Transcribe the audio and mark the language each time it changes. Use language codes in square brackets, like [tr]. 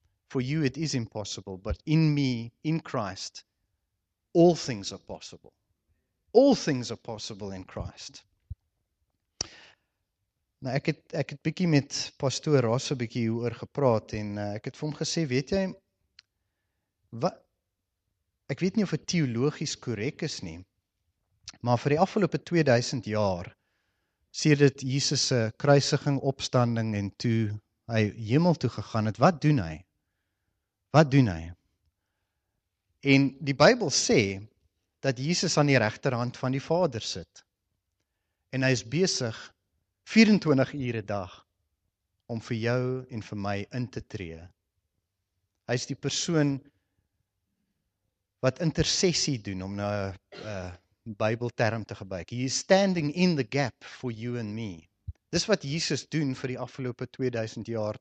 [en] For you it is impossible, but in me, in Christ, all things are possible. All things are possible in Christ." [af] Nou ek het bietjie met pastoor Rosso bietjie hieroor gepraat en ek het vir hom gesê, weet jy wat, ek weet nie of dit teologies korrek is nie, maar vir die afgelope 2000 jaar sedert Jesus se kruisiging, opstanding en toe hy hemel toe gegaan het, wat doen hy? En die Bybel sê dat Jesus aan die regterhand van die Vader sit en hy is besig 24 ure 'n dag om vir jou en vir my in te tree. Hy is die persoon wat intersessie doen, om nou 'n Bybelterm te gebruik. [en] He is standing in the gap for you and me. [af] Dis wat Jesus doen vir die afgelope 2000 jaar.